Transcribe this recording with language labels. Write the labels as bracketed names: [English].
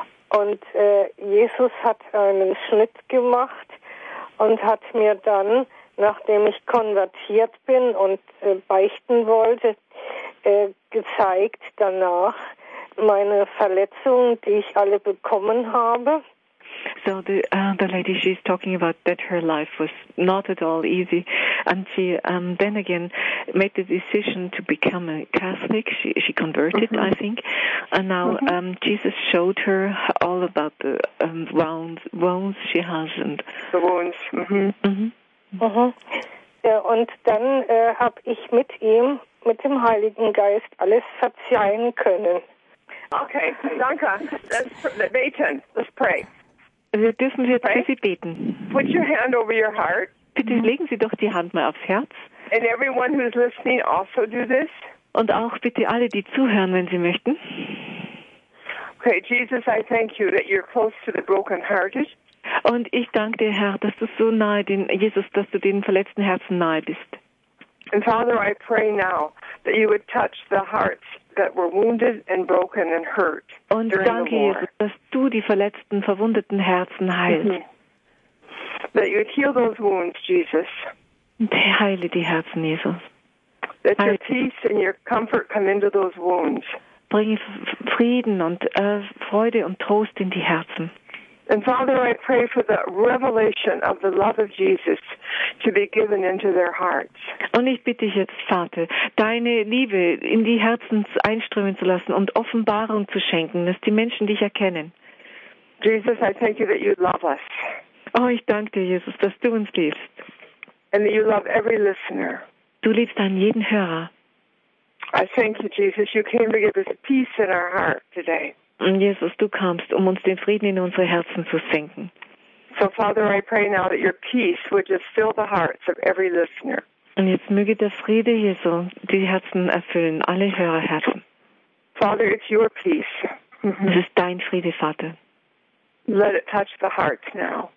[German] Und Jesus hat einen Schnitt gemacht und hat mir dann, nachdem ich konvertiert bin und beichten wollte, gezeigt danach meine Verletzungen, die ich alle bekommen habe. [English] So the lady, she's talking about that her life was not at all easy, and she then again made the decision to become a Catholic. She converted, mm-hmm. I think, and now mm-hmm. Jesus showed her all about the wounds she has and the wounds. [German] Und dann habe ich mit ihm, mit dem Heiligen Geist, alles verzeihen können. [English] Okay, danke. Let's beten. Let's pray. [German] Wir dürfen jetzt für Sie beten. [English] Put your hand over your heart. [German] Bitte legen Sie doch die Hand mal aufs Herz. [English] And everyone who's listening also do this. [German] Und auch bitte alle, die zuhören, wenn Sie möchten. [English] Okay, Jesus, I thank you that you're close to the brokenhearted. [German] Und ich danke dir, Herr, dass du so nahe den Jesus, dass du den verletzten Herzen nahe bist. [English] And Father, I pray now that you would touch the hearts that were wounded and broken and hurt. [German] Und danke, Jesus, dass du die verletzten, verwundeten Herzen heilst. Mm-hmm. [English] That you would heal those wounds, Jesus. [German] Heile die Herzen, Jesus. That heile. [English] Your peace and your comfort come into those wounds. [German] Bring Frieden und Freude und Trost in die Herzen. [English] And Father, I pray for the revelation of the love of Jesus to be given into their hearts. [German] Und ich bitte dich jetzt, Vater, deine Liebe in die Herzen einströmen zu lassen und Offenbarung zu schenken, dass die Menschen dich erkennen. [English] Jesus, I thank you that you love us. [German] Oh, ich danke dir, Jesus, dass du uns liebst. [English] And that you love every listener. [German] Du liebst an jeden Hörer. [English] I thank you, Jesus, you came to give us peace in our heart today. [German] Jesus, du kamst, um uns den Frieden in unsere Herzen zu senken. [English] So, Father, I pray now that your peace would just fill the hearts of every listener. [German] Und jetzt möge der Friede, Jesu, die Herzen erfüllen, alle Hörerherzen. [English] Father, it's your peace. [German] Es ist dein Friede, Vater. [English] Let it touch the hearts now.